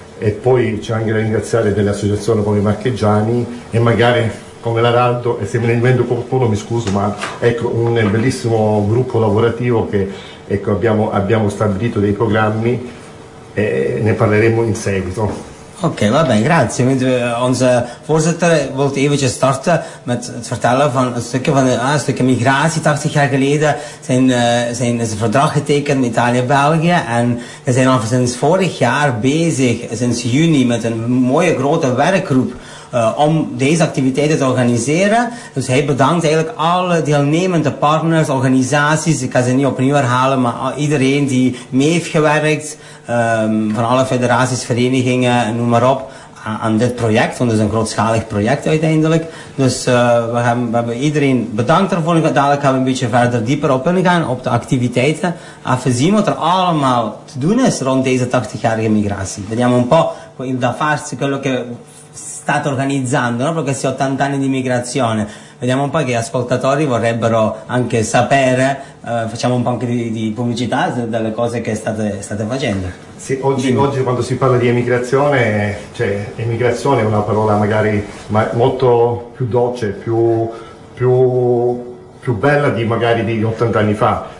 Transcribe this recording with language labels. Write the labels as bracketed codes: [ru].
[it] E poi c'è anche da ringraziare delle associazioni come i Marchegiani e magari come l'Araldo, e se me ne invento qualcuno mi scuso, ma ecco un bellissimo gruppo lavorativo che ecco, abbiamo stabilito dei programmi e ne parleremo in seguito. Ok, va bene, grazie. [nl] Onze voorzitter wil eventjes starten met het vertellen van een stukje migratie. 80 jaar geleden zijn is een verdrag getekend met Italië-België. En we zijn al sinds vorig jaar bezig, sinds juni, met een mooie grote werkgroep om deze activiteiten te organiseren. Dus hij bedankt eigenlijk alle deelnemende partners, organisaties. Ik ga ze niet opnieuw herhalen, maar iedereen die mee heeft gewerkt. Van alle federaties, verenigingen, noem maar op, aan dit project, want het is een grootschalig project uiteindelijk. Dus we hebben iedereen bedankt ervoor. Dadelijk gaan we een beetje verder dieper op ingaan op de activiteiten. Even zien wat er allemaal te doen is rond deze 80-jarige migratie. [it] Vediamo un po' il da farsi, quello che state organizzando, no? Proprio questi 80 anni di migrazione. Vediamo un po' che gli ascoltatori vorrebbero anche sapere, facciamo un po' anche di pubblicità delle cose che state facendo. Sì, oggi quando si parla di emigrazione, cioè emigrazione è una parola magari molto più dolce, più bella di magari di 80 anni fa.